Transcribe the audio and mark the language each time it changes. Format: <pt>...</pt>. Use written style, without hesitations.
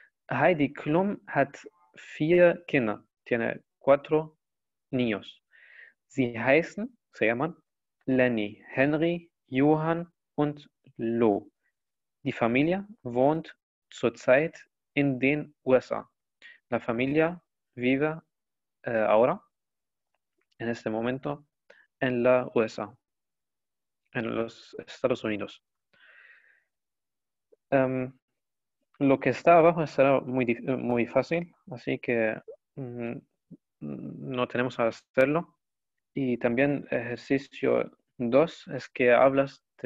<de>Heidi Klum hat 4 Kinder,</de> <es>tiene 4 niños.</es> <de>Sie heißen,</de> <es>se llaman,</es> <de>Lenny, Henry, Johann und Lo. Die Familie wohnt zurzeit in den USA.</de> <es>La familia vive ahora. En este momento, en la USA, en los Estados Unidos. Lo que está abajo será muy, muy fácil, así que no tenemos a hacerlo. Y también ejercicio 2 es que hablas</es>